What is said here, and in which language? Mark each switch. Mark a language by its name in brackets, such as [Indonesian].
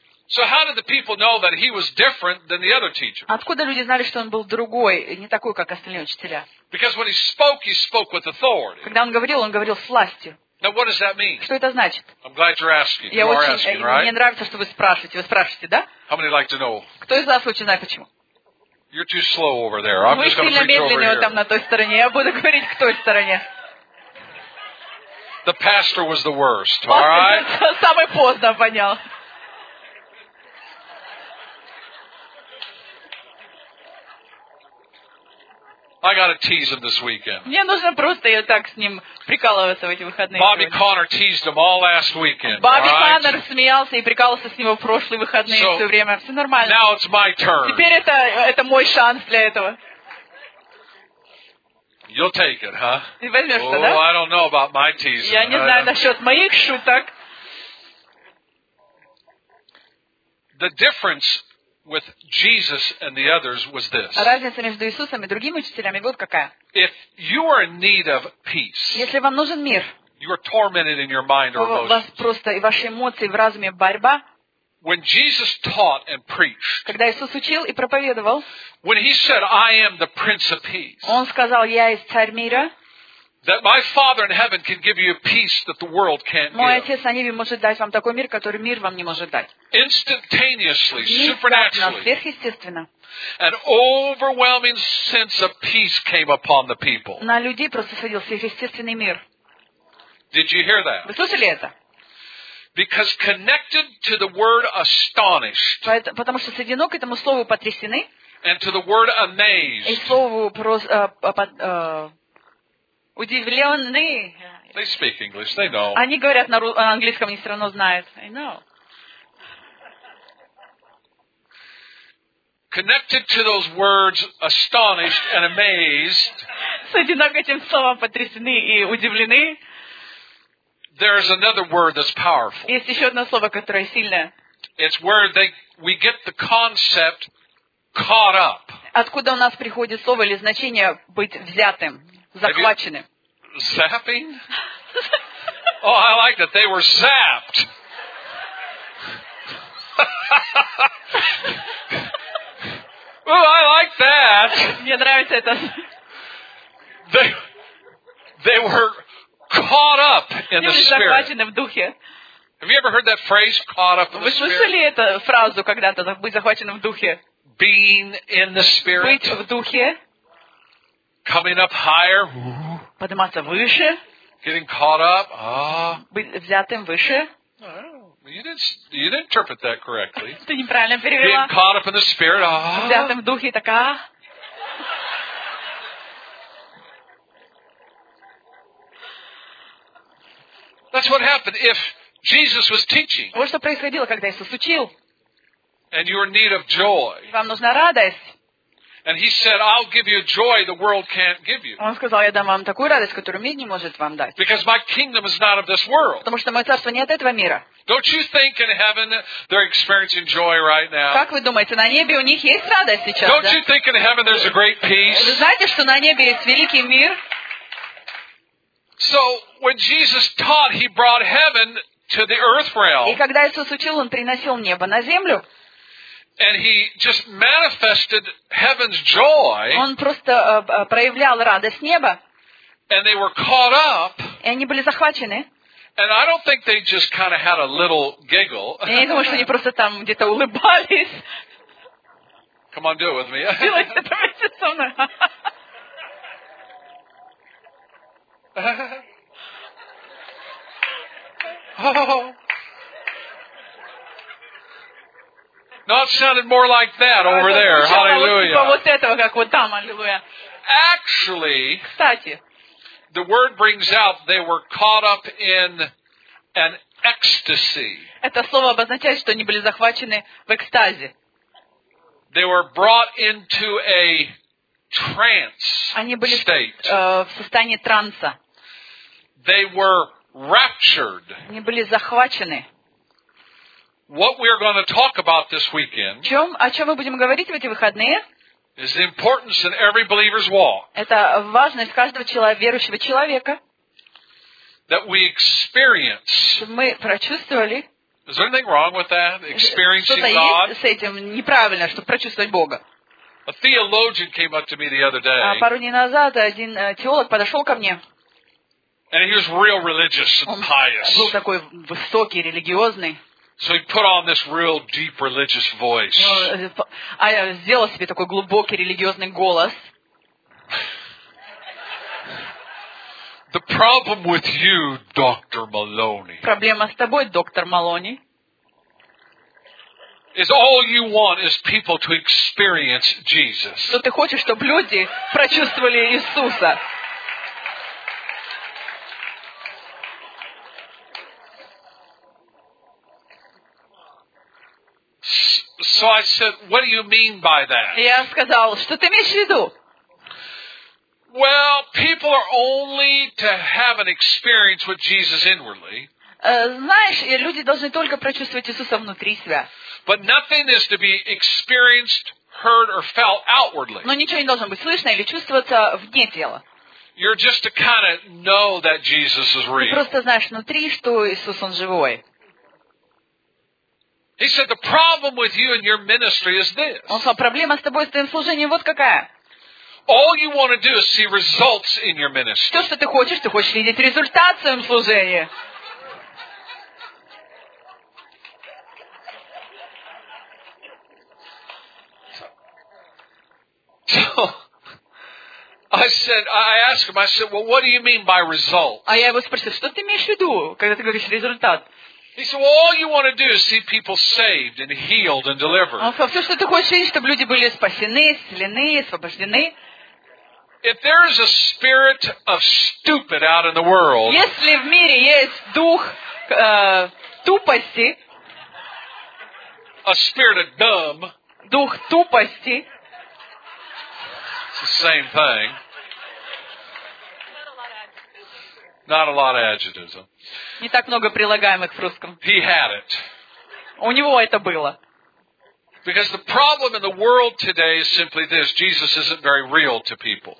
[English] So how did the people know that he was different than the other teachers? [Russian] Откуда люди знали, что он был другой, не такой, как остальные учителя? [English] Because when he spoke with authority. [Russian] Когда он говорил с властью. [English] Now what does that mean? [Russian] Что это значит? [English] I'm glad you're asking. You are asking, right? [Russian] Мне нравится, что вы спрашиваете. Вы спрашиваете, да? [English] How many like to know? [Russian] Кто из вас хочет знать, почему? [English] You're too slow over there. I'm just going to preach over here. [Russian] Там на той стороне. Я буду говорить к той стороне. [English] The pastor was the worst. All right. [Russian] Самый поздно понял. [English] I got to tease him this weekend. [Russian] Мне нужно просто я так с ним прикалываться в эти выходные. [English] Bobby Connor teased him all last weekend. [Russian] Bobby Connor смеялся и прикалывался с ним в прошлые выходные все время. Все нормально. [English] Now it's my turn. [Russian] Теперь это мой шанс для этого. [English] You'll take it, huh? [Russian] Ты возьмешь, да? [English] Oh, I don't know about my teasing. [Russian] Я не знаю насчет моих шуток. [English] The difference with Jesus and the others was this. [Russian] Разница между Иисусом и другими учителями вот какая. [English] If you are in need of peace. [Russian] Если вам нужен мир. [English] You are tormented in your mind or emotions. [Russian] У вас просто и ваши эмоции в разуме борьба. [English] When Jesus taught and preached. [Russian] Когда Иисус учил и проповедовал. [English] When he said, "I am the Prince of Peace." [Russian] Он сказал, "Я есть царь мира." [English] That my Father in heaven can give you a peace that the world can't give. [Russian] Мой отец на небе может дать вам такой мир, который мир вам не может дать. [English] Instantaneously, supernaturally. [Russian] Сверхъестественно. [English] An overwhelming sense of peace came upon the people. [Russian] На людей просто сходил сверхъестественный мир. [English] Did you hear that? [Russian] Вы слышали это? [English] Because connected to the word astonished. [Russian] Потому что соединено к этому слову потрясены. [English] And to the word amazed. [Russian] И слову удивлены. [English] They speak English. They know. [Russian] Они говорят на английском, они все равно знают. [English] I know. Connected to those words, astonished and amazed. [Russian] С этим словом потрясены и удивлены. [English] There is another word that's powerful. [Russian] Есть еще одно слово, которое сильное. [English] It's where we get the concept caught up. [Russian] Откуда у нас приходит слово или значение быть взятым, захваченным? [English] Zapping? Oh, I like that. They were zapped. Oh, I like that. [Russian] Мне нравится это. [English] They were caught up in the spirit. [Russian] Они были захвачены в духе. [English] Have you ever heard that phrase, caught up in the spirit? [Russian] Вы слышали эту фразу когда-то, быть захваченным в духе? [English] Being in the spirit. [Russian] Быть в духе. [English] Coming up higher. [Russian] Подниматься выше. [English] Getting caught up. [Russian] Быть взятым выше. [English] You didn't interpret that correctly. [Russian] Ты неправильно перевела. [English] Being caught up in the spirit. [Russian] Взятым в духе така. [English] That's what happened if Jesus was teaching. [Russian] Вот что происходило, когда Иисус учил. [English] And you are in need of joy. [Russian] Вам нужна радость. [English] And he said, "I'll give you a joy the world can't give you." [Russian] Он сказал, я дам вам такую радость, которую мир не может вам дать. [English] Because my kingdom is not of this world. [Russian] Потому что мое царство не от этого мира. [English] Don't you think in heaven they're experiencing joy right now? [Russian] Как вы думаете, на небе у них есть радость сейчас? [English] Don't you think in heaven there's a great peace? [Russian] Вы знаете, что на небе есть великий мир? [English] So when Jesus taught, he brought heaven to the earth realm. [Russian] И когда Иисус учил, он приносил небо на землю. [English] And he just manifested heaven's joy. [Russian] Он просто проявлял радость неба. [English] And they were caught up. [Russian] И они были захвачены. [English] And I don't think they just kind of had a little giggle. [Russian] Я не думаю, что они просто там где-то улыбались. [English] Come on, do it with me. [Russian] Делайте это вместе со мной. [English] No, it sounded more like that over there. Hallelujah. Actually, [Russian] кстати, [English] the word brings out they were caught up in an ecstasy. [Russian] Это слово обозначает, что они были захвачены в экстазе. [English] They were brought into a trance state. [Russian] Они были в состоянии транса. [English] They were raptured. [Russian] Они были захвачены. [English] What we are going to talk about this weekend? [Russian] О чем мы будем говорить в эти выходные? [English] Is the importance in every believer's walk? [Russian] Это важность каждого верующего человека. [English] That we experience. [Russian] Мы прочувствовали. [English] Is there anything wrong with that? Experiencing God? [Russian] Что-то есть с этим неправильно, чтобы прочувствовать Бога? [English] A theologian came up to me the other day. [Russian] Пару дней назад один теолог подошел ко мне. [English] And he was real religious and pious. [Russian] Был такой высокий, религиозный. [English] So he put on this real deep religious voice. [Russian] Я сделал себе такой глубокий религиозный голос. [English] The problem with you, Dr. Maloney. [Russian] Проблема с тобой, доктор Малони. [English] Is all you want is people to experience Jesus. [Russian] Что ты хочешь, чтобы люди прочувствовали Иисуса? [English] So I said, what do you mean by that? [Russian] Я сказал, что ты имеешь в виду? [English] Well, people are only to have an experience with Jesus inwardly. [Russian] Знаешь, люди должны только прочувствовать Иисуса внутри себя. [English] But nothing is to be experienced, heard or felt outwardly. [Russian] Но ничего не должно быть слышно или чувствоваться вне тела. [English] You're just to kind of know that Jesus is real. [Russian] Ты просто знаешь внутри, что Иисус он живой. [English] He said, "The problem with you and your ministry is this." [Russian] Он сказал, проблема с тобой и с твоим служением вот какая. [English] All you want to do is see results in your ministry. [Russian] Все, что ты хочешь видеть результат в своем служении. [English] So, I asked him. I said, "Well, what do you mean by results?" [Russian] А я его спросил, что ты имеешь в виду, когда ты говоришь результат? [English] He said, well, all you want to do is see people saved and healed and delivered. [Russian] Он сказал, все, что ты хочешь видеть, чтобы люди были спасены, исцелены, освобождены. [English] If there is a spirit of stupid out in the world, [Russian] если в мире есть дух тупости, [English] a spirit of dumb, [Russian] дух тупости, [English] it's the same thing. Not a lot of adjectives. [Russian] Не так много прилагаемых в русском. [English] He had it. [Russian] У него это было. [English] Because the problem in the world today is simply this: Jesus isn't very real to people.